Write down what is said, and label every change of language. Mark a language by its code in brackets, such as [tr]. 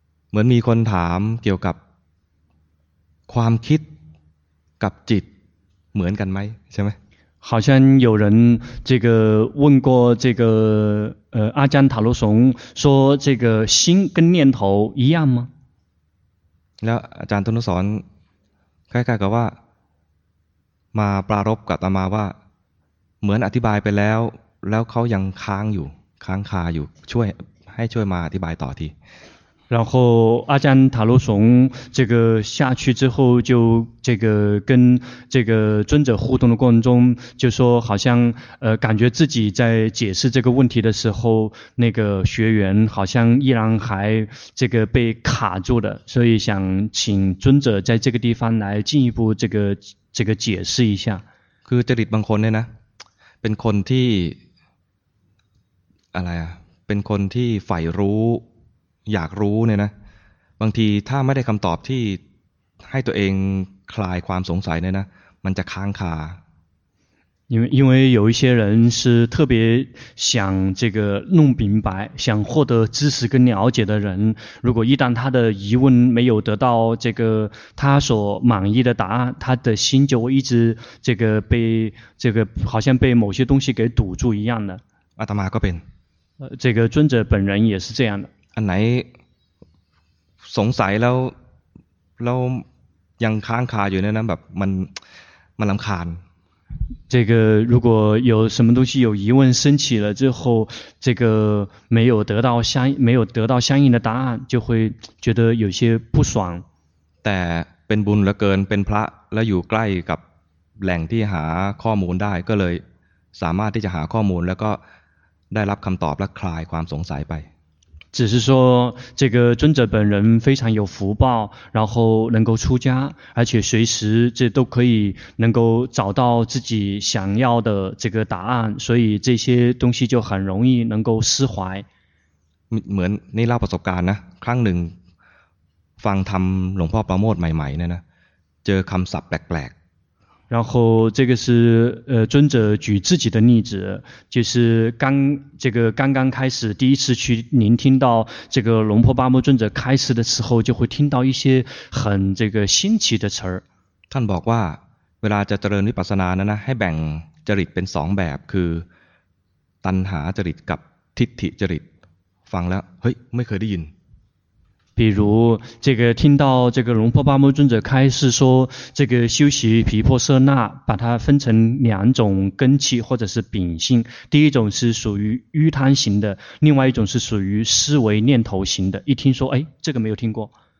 [th] เหมือนมีคนถามเกี่ยวกับความคิดกับจิตเหมือนกันไหมใช่ไหม [zh] 好像有人这个问过这个阿江塔罗松说这个心跟念头一样吗 [th] แล้วอาจารย์ตุนสอนใกล้ๆกับว่ามาปรารภกับอาตมาว่าเหมือนอธิบายไปแล้วเขายังค้างอยู่ค้างคาอยู่ช่วยมาอธิบายต่อที [zh] 然后阿江塔罗松这个下去之后就这个跟这个尊者互动的过程中就说好像感觉自己在解释这个问题的时候那个学员好像依然还这个被卡住了所以想请尊者在这个地方来进一步这个解释一下 [th] คือจริตบางคนเนี่ยนะเป็นคนที่อะไรอ่ะเป็นคนที่ใฝ่รู้อยากรู้เนี่ยนะบางทีถ้าไม่ได้คำตอบที่ให้ตัวเองคลายความสงสัยเนี่ยนะมันจะค้างคา [zh] 因为有一些人是特别想这个弄明白想获得知识跟了解的人如果一旦他的疑问没有得到这个他所满意的答案他的心就一直这个被这个好像被某些东西给堵住一样的 [th] อาตมาก็เป็น [zh] 这个尊者本人也是这样的 [th] อันไหนสงสัยแล้วยังค้างคาอยู่เนี่ยนะแบบมันรำคาญ [zh] 这个如果有什么东西有疑问升起了之后这个没有得到相应的答案就会觉得有些不爽 [th] แต่เป็นบุญเหลือเกินเป็นพระแล้วอยู่ใกล้กับแหล่งที่หาข้อมูลได้ก็เลยสามารถที่จะหาข้อมูลแล้วก็ได้รับคำตอบและคลายความสงสัยไป [zh] 只是说这个尊者本人非常有福报然后能够出家而且随时这都可以能够找到自己想要的这个答案所以这些东西就很容易能够释怀 [th] เหมือนนี่เล่าประสบการณ์นะครั้งหนึ่งฟังธรรมหลวงพ่อประโมทใหม่ๆเนี่ยนะเจอคำศัพท์แปลกๆ [zh] 然后这个是尊者举自己的例子就是刚刚开始第一次去聆听到这个龙婆巴木尊者开始的时候就会听到一些很这个新奇的词儿 [th] ท่านบอกว่าเวลาจะเจริญวิปัสสนานะนะให้แบ่งจริตเป็น2แบบคือตัณหาจริตกับทิฏฐิจริตฟังแล้วเฮ้ยไม่เคยได้ยิน [zh] 比如这个听到这个龙婆巴木尊者开示说这个修习毗婆舍那把它分成两种根器或者是秉性第一种是属于瘀贪型的另外一种是属于思维念头型的一听说哎这个没有听过